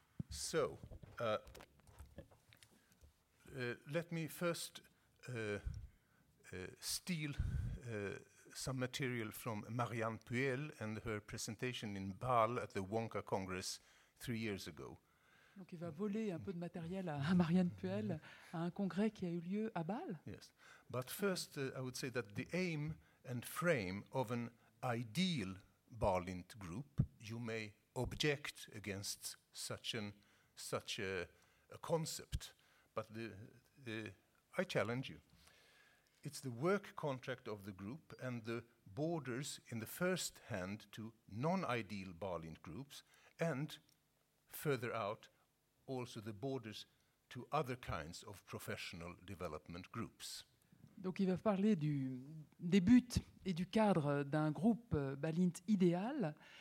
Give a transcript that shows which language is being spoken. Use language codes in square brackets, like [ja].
[en] So, let me first steal some material from Marianne Puel and her presentation in Bâle at the Wonka Congress 3 years ago. [fr] Donc il va voler un peu de matériel à Marianne Puel à un congrès qui a eu lieu à Bâle. [en] Yes, but first I would say that the aim and frame of an ideal Bâle-Lint group, you may object against such a concept, but I challenge you. It's the work contract of the group and the borders in the first hand to non-ideal Bâle-Lint groups, and further out also the borders to other kinds of professional development groups. [fr] Donc il va parler des buts et du cadre d'un groupe Bâle-Lint idéal.